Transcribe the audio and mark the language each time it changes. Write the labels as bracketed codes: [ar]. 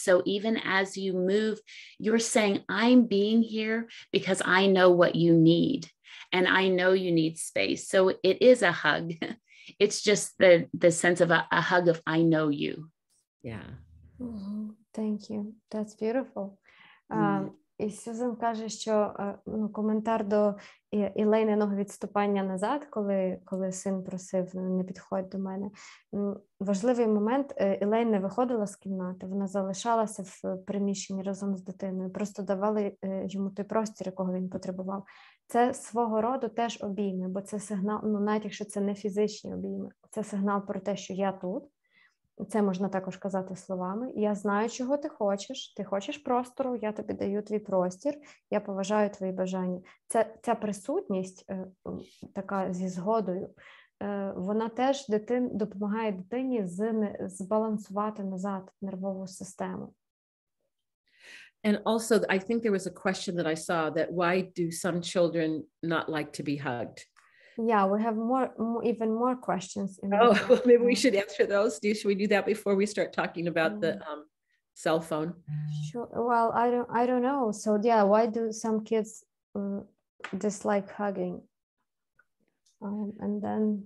[en] So even as you move, you're saying, I'm being here because I know what you need and I know you need space. So it is a hug. It's just the sense of a hug of I know you. Yeah. Mm-hmm. Thank you. That's beautiful. [uk] І Сюзан каже, що коментар до Елейниного відступання назад, коли син просив не підходь до мене. Важливий момент, Елейн не виходила з кімнати, вона залишалася в приміщенні разом з дитиною, просто давали йому той простір, якого він потребував. Це свого роду теж обійми, бо це сигнал, навіть якщо це не фізичні обійми, це сигнал про те, що я тут. Це можна також казати словами. Я знаю, чого ти хочеш. Ти хочеш простору, я тобі даю твій простір. Я поважаю твої бажання. Ця присутність, така зі згодою, вона теж допомагає дитині збалансувати назад нервову систему. [en] And also, I think there was a question that I saw, that why do some children not like to be hugged? Yeah, we have more questions. Well, maybe we should answer those. Should we do that before we start talking about the cell phone? Sure. Well, I don't know. So yeah, why do some kids dislike hugging? And then